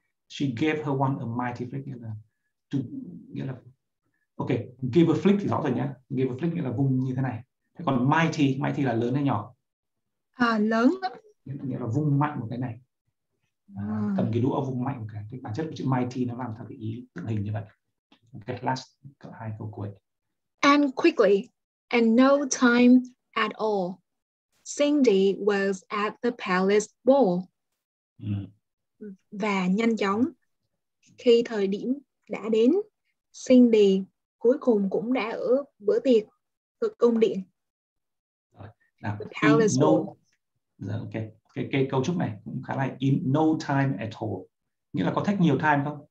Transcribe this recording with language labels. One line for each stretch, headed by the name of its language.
English: She gave her one a mighty flick.
Vietnamese: Nghĩa là ok, give a flick thì rõ rồi nhé. Give a flick nghĩa là vung như thế này. Thế còn mighty là lớn hay nhỏ? À, lớn. Nghĩa là vung mạnh một cái này. Cầm cái đũa vùng mạnh cả. Cái bản chất của chữ mighty nó làm theo cái ý tượng hình như vậy. Okay, last cả hai câu cuối.
English: And quickly, and no time at all, Cindy was at the palace ball.
Vietnamese: Và nhanh chóng, khi thời điểm đã đến, Cindy cuối cùng cũng đã ở bữa tiệc ở cung điện.
English: Now, the palace ball.
Vietnamese: Cái câu trúc này cũng khá là
English: in no time at all.
Vietnamese: Nghĩa là có take nhiều time không?